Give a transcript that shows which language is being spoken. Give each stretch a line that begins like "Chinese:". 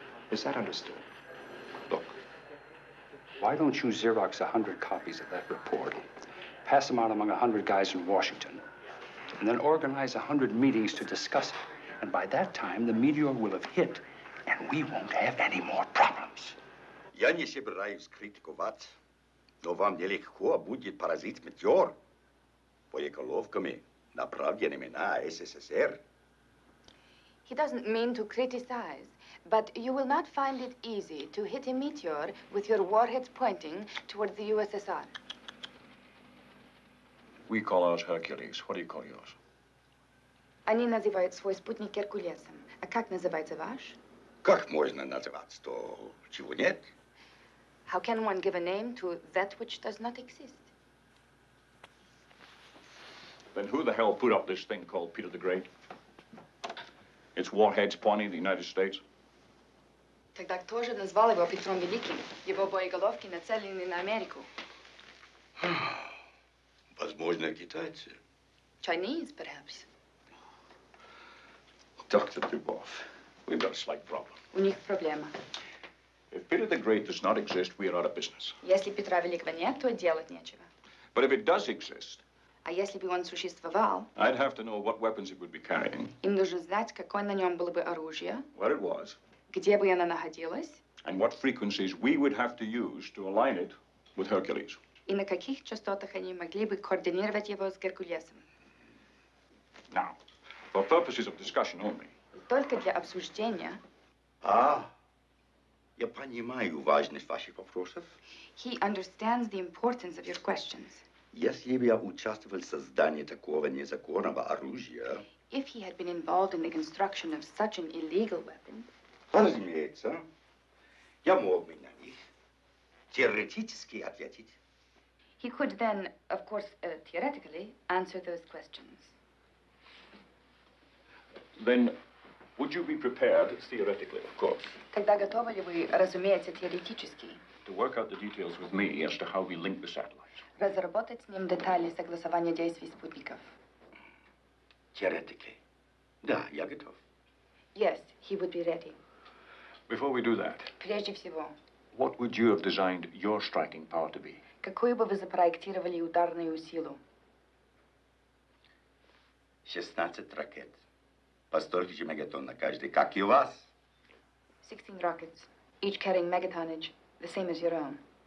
English: Is that understood? Look. Why don't you Xerox 100 copies of that report, pass them out among 100 guys in Washington, and then organize 100 meetings to discuss it. And by that time, the meteor will have hit, and we won't have any more problems.
Russian: Я не собираюсь критиковать, но вам нелегко будет поразить Метеор по головками, направленными на СССР.
English: He doesn't mean to criticize, but you will not find it easy to hit a meteor with your warheads pointing towards the USSR. We call ours Hercules. What do you call yours?
Russian: Они называют свой спутник Геркулесом. А как называется ваш? Как можно называть то, чего нет?
English: How can one give a name to that which does not exist? Then who the hell put up this thing called Peter the Great? It's warheads pointing the United States.
Russian: Тогда кто же назвал его Петром Великим? Его боеголовки нацелены на Америку. Возможно, китайцы.
English: Chinese, perhaps. Dr. Dubov, we've got a slight problem.
Russian: У них проблема.
English: If Peter the Great does not exist, we are out of business.
Russian: Если Петра Великого нет, то делать нечего.
English: But if it does exist...
Russian: А если бы он существовал...
English: I'd have to know what weapons it would be carrying.
Russian: Им нужно знать, какое на нем было бы оружие.
English: Where it was.
Russian: Где бы она находилась.
English: And what frequencies we would have to use to align it with Hercules.
Russian: И на каких частотах они могли бы координировать его с Геркулесом.
English: Now, for purposes of discussion only...
Russian: Только для обсуждения... А... Я понимаю важность ваших вопросов.
English: He understands the importance of your questions.
Russian: Если бы я участвовал в создании такого незаконного оружия...
English: If he had been involved in the construction of such an illegal weapon...
Russian: Разумеется, я мог бы на них теоретически ответить.
English: He could then, of course, theoretically, answer those questions. Then... Would you be prepared, theoretically, of course?
Russian: Тогда готовы ли вы, разумеется, теоретически?
English: To work out the details with me as to how we link the satellites.
Russian: Разработать с ним детали согласования действий спутников.
English: Theoretically.
Russian: Да, я готов.
English: Yes, he would be ready. Before we do that.
Russian: Прежде всего.
English: What would you have designed your striking power to be?
Russian: Какую бы вы запроектировали ударную силу? 16 ракет. По столько же мегатон на каждый, как и у вас.
English: 16 rockets, each carrying megatonnage, the same as your own.